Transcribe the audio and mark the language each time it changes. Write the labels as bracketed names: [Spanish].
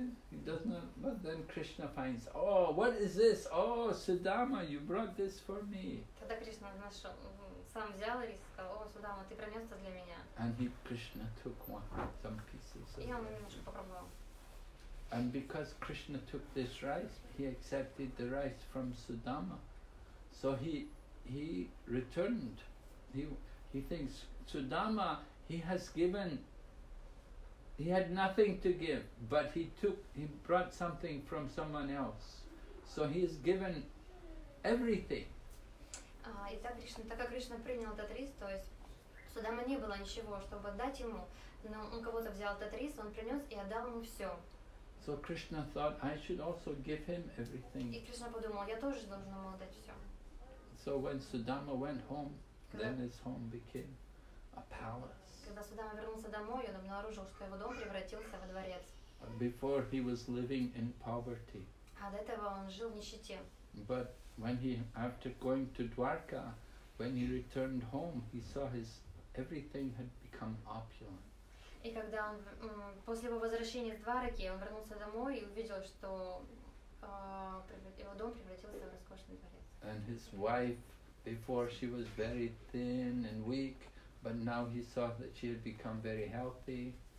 [English] He does not, but then Krishna finds, oh, what is this? Oh, Sudama, you brought this for me. [Russian] Тогда Кришна нашел, сам взял рис и сказал, о, Судама, ты принес это для меня. [English] And he, Krishna took one, some pieces. [Russian] Я немножко попробовал. [English] And because Krishna took this rice, he accepted the rice from Sudama. So he returned. He thinks, Sudama, he has given. He had nothing to give, but he brought something from someone else. So he has given everything. [Russian] Итак, Кришна, так как Кришна принял этот рис, то есть Судама не было ничего, чтобы отдать ему, но он кого-то взял этот рис, он принес и отдал ему все. [English] So Krishna thought, I should also give him everything. [Russian] И Кришна подумал, я тоже должен ему отдать все. [English] So when Sudama went home, then his home became a palace. [Russian] Когда Судама вернулся домой, он обнаружил, что его дом превратился во дворец. [English] Before he was living in poverty. [Russian] А до этого он жил в нищете. [English] But when he, after going to Dwarka, when he returned home, he saw his everything had become opulent. [Russian] И когда он после его возвращения в Двараки, он вернулся домой и увидел, что его дом превратился в роскошный дворец. [English] And his wife, before she was very thin and weak. But now he saw that she had become very healthy.